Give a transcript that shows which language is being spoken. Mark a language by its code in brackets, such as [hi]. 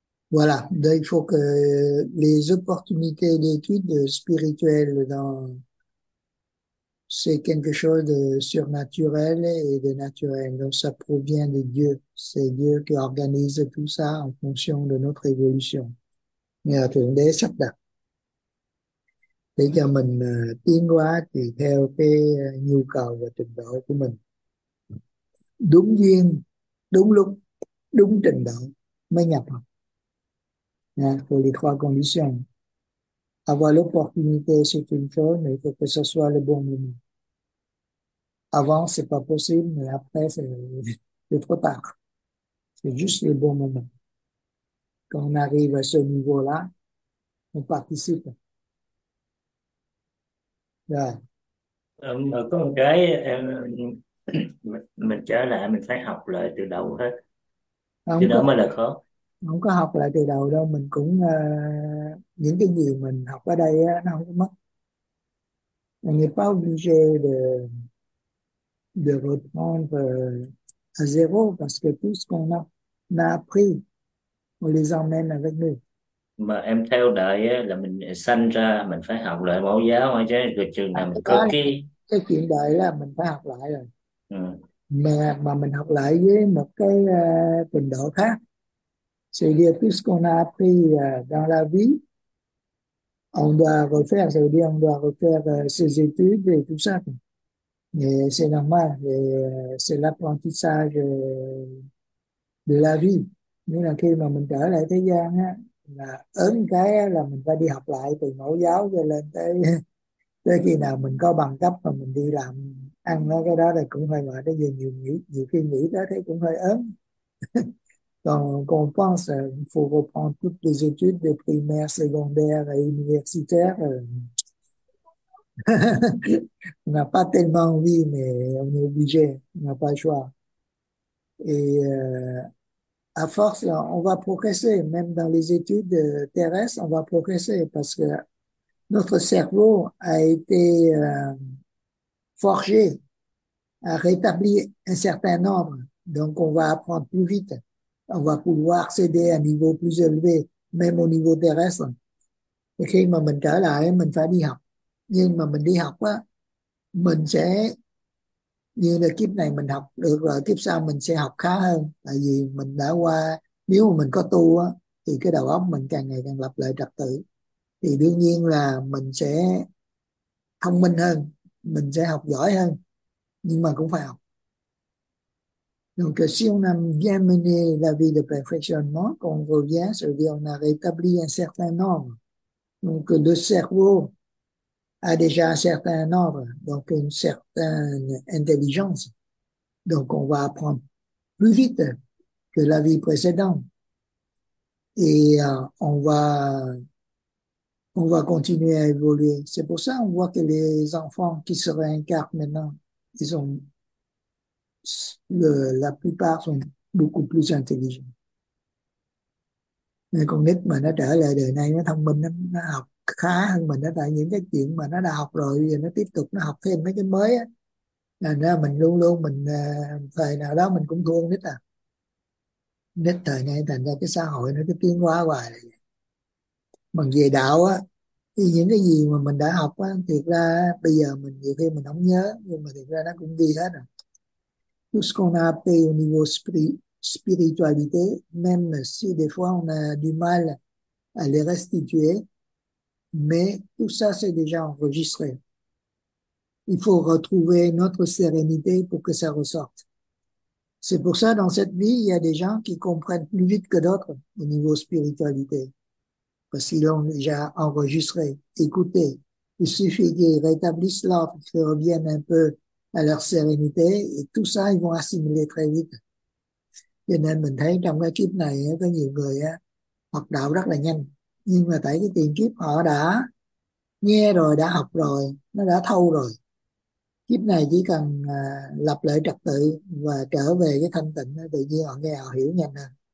[fr] Voilà. Donc, il faut que les opportunités d'études spirituelles dans, c'est quelque chose de surnaturel et de naturel. Donc, ça provient de Dieu. C'est Dieu qui organise tout ça en fonction de notre évolution. [vi] Nhờ Thượng Đế sắp đặt để cho mình tiến hóa tùy theo cái nhu cầu và trình độ của mình, đúng duyên đúng lúc đúng trình độ mới nhập học nha. [fr] Pour les trois conditions, avoir l'opportunité c'est une chose, mais il faut que ce soit le bon moment. Avant c'est pas possible, mais après c'est trop tard, c'est juste le bon moment. Quand on arrive à ce niveau-là, on participe. Là. [vi] Có một cái em mình trở lại mình phải học lại từ đầu hết, Không từ đó có. mới là khó. không có học lại từ đầu đâu, mình cũng những cái gì mình học ở đây nó không có mất. [fr] On n'est pas obligé de reprendre à zéro parce que tout ce qu'on a appris, on les emmène avec nous. [vi] Mà em theo đại á, là mình sanh ra mình phải học lại mẫu giáo thôi chứ, rồi chừng À, nào mình có cái cái chuyện đời là mình phải học lại rồi, ừ. mà mình học lại với một cái trình độ khác. [fr] C'est dire tout ce qu'on a appris dans la vie, on doit refaire, c'est dire on doit refaire ses études et tout ça. Mais c'est normal, c'est l'apprentissage de la vie. [vi] Nghĩa là khi mà mình trở lại thế gian á, là ớn cái là mình phải đi học lại từ mẫu giáo cho lên tới tới khi nào mình có bằng cấp mà mình đi làm ăn nó, cái đó là cũng hơi mệt đó. Nhiều khi nghĩ tới thấy cũng hơi ớn. Còn còn [fr] pense faut reprendre toutes les études de primaire, secondaire et universitaire. On n'a pas tellement envie, mais on est obligé, on n'a pas le choix. Et à force, on va progresser, même dans les études terrestres, on va progresser parce que notre cerveau a été forgé à rétablir un certain ordre. Donc, on va apprendre plus vite. On va pouvoir accéder à un niveau plus élevé, même au niveau terrestre. [vi] Et khi mà mình trở lại, mình phải đi học. Nhưng mà mình đi học á, mình sẽ, như là kiếp này mình học được rồi, kiếp sau mình sẽ học khá hơn. Tại vì mình đã qua, nếu mà mình có tu á, thì cái đầu óc mình càng ngày càng lập lại trật tự. Thì đương nhiên là mình sẽ thông minh hơn, mình sẽ học giỏi hơn, nhưng mà cũng phải học. [fr] Donc, si on a bien mené la vie de perfectionnement, quand on revient, ça veut dire qu'on a rétabli un certain ordre. Donc, le cerveau a déjà un certain ordre, donc une certaine intelligence. Donc, on va apprendre plus vite que la vie précédente. Et on va continuer à évoluer. C'est pour ça qu'on voit que les enfants qui se réincarnent maintenant, ils ont. La plupart sont beaucoup plus intelligents. [vi] Nên con nít mà nó trở lại đời này nó thông minh lắm, nó học khá hơn mình đó, tại những cái chuyện mà nó đã học rồi giờ nó tiếp tục nó học thêm mấy cái mới á, là nên mình luôn luôn mình thời nào đó mình cũng thua con nít à. Nít thời nay thành ra cái xã hội nó cứ tiến hóa hoài. Bằng về đạo á, thì những cái gì mà mình đã học á, thiệt ra bây giờ mình nhiều khi mình không nhớ, nhưng mà thiệt ra nó cũng đi hết rồi. [fr] Tout ce qu'on a appris au niveau spiritualité, même si des fois on a du mal à les restituer, mais tout ça c'est déjà enregistré. Il faut retrouver notre sérénité pour que ça ressorte. C'est pour ça, dans cette vie, il y a des gens qui comprennent plus vite que d'autres au niveau spiritualité, parce qu'ils l'ont déjà enregistré, écouté. Il suffit qu'ils rétablissent l'ordre, qu'ils reviennent un peu à leur sérénité, et tout ça, ils vont assimiler très vite. [vi] Cho nên mình thấy trong cái kiếp này có nhiều người á, học đạo rất là nhanh, nhưng mà tại cái tiền kiếp họ đã nghe rồi, đã học rồi, nó đã thâu rồi. Kiếp này chỉ cần lập lại trật tự và trở về cái thanh tịnh, tự nhiên họ nghe, họ hiểu nhanh hơn.